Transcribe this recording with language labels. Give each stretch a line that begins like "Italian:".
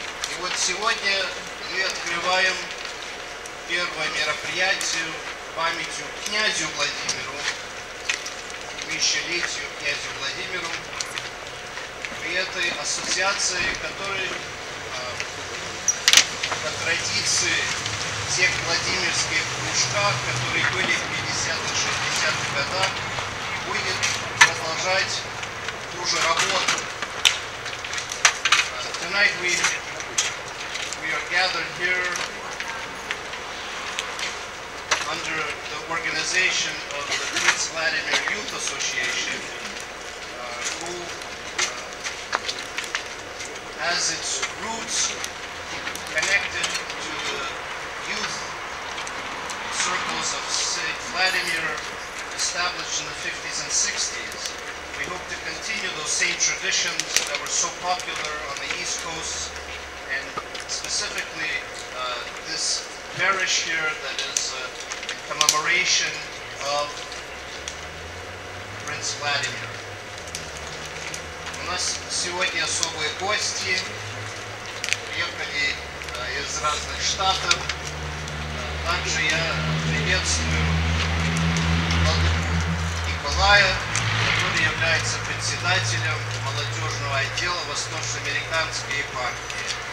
Russian: И вот сегодня мы открываем первое мероприятие памятью князю Владимиру, тысячелетию князю Владимиру, при этой ассоциации, которая по традиции тех владимирских кружках, которые были в 50-60-х годах, будет продолжать ту же работу.
English: Tonight we are gathered here under the organization of the Prince Vladimir Youth Association, who has its roots connected to the youth circles of St. Vladimir established in the 50s and 60s. We hope to continue those same traditions that were so popular on the East Coast, and specifically this parish here that is a commemoration of Prince Vladimir.
Russian: У нас сегодня особые гости, приехали из разных штатов. Также я приветствую Владимира Николая, который является председателем молодежного отдела Восточноамериканской епархии.